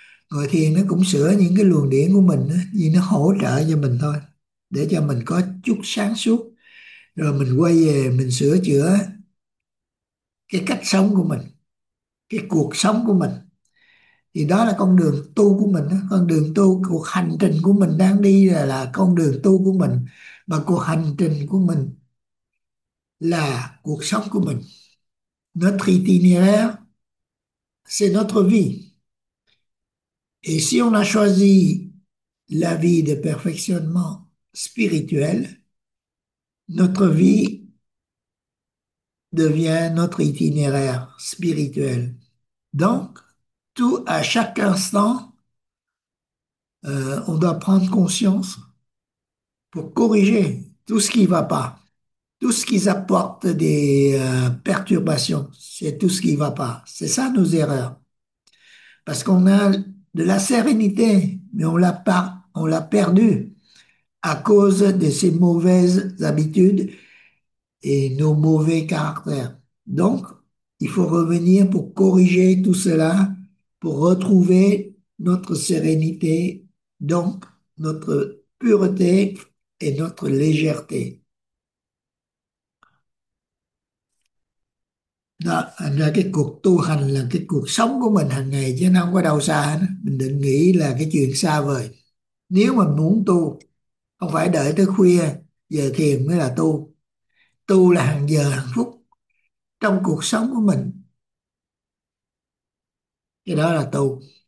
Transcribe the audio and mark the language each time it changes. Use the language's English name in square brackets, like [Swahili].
[Vietnamese] Ngồi thiền nó cũng sửa những cái luồng điển của mình á, vì nó hỗ trợ cho mình thôi, để cho mình có chút sáng suốt, rồi mình quay về mình sửa chữa cái cách sống của mình, cái cuộc sống của mình. Thì đó là con đường tu của mình đó. Con đường tu, cuộc hành trình của mình đang đi là con đường tu của mình, mà cuộc hành trình của mình là cuộc sống của mình. [French] Notre itinéraire, c'est notre vie. Et si on a choisi la vie de perfectionnement spirituel, notre vie devient notre itinéraire spirituel. Donc, tout à chaque instant, on doit prendre conscience pour corriger tout ce qui ne va pas. Tout ce qui apporte des perturbations, c'est tout ce qui ne va pas. C'est ça nos erreurs. Parce qu'on a de la sérénité, mais on l'a pas, on l'a perdue à cause de ces mauvaises habitudes et nos mauvais caractères. Donc, il faut revenir pour corriger tout cela, pour retrouver notre sérénité, donc notre pureté et notre légèreté. [Vietnamese] Đó là cái cuộc tu hành, là cái cuộc sống của mình hàng ngày chứ nó không có đâu xa hết. Mình đừng nghĩ là cái chuyện xa vời. Nếu mà muốn tu, không phải đợi tới khuya giờ thiền mới là tu. Tu là hàng giờ hàng phút trong cuộc sống của mình, cái đó là tu.